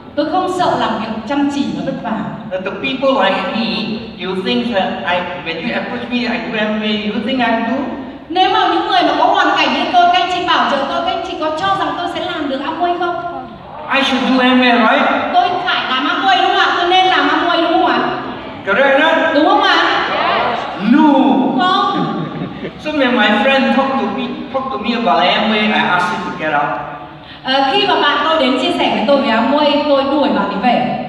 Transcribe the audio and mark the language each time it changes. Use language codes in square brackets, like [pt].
[vi] Tôi không sợ làm việc chăm chỉ và vất vả. [en] The people like me, you think that when you approach me, I do MBA, you think I do? [vi] Nếu mà những người mà có hoàn cảnh như tôi, các anh chị bảo trợ tôi, các anh chị có cho rằng tôi sẽ làm được Amway không? [en] I should do MBA, right? [vi] Tôi phải làm Amway đúng không ạ? Tôi nên làm Amway đúng không ạ? [en] Correct, right? [vi] Đúng không ạ? [en] No. [vi] Không. [en] So when my friend talked to me about Amway, I asked him to get out. [vi] Khi mà bạn tôi đến chia sẻ với tôi về Amway, tôi đuổi bạn ấy về.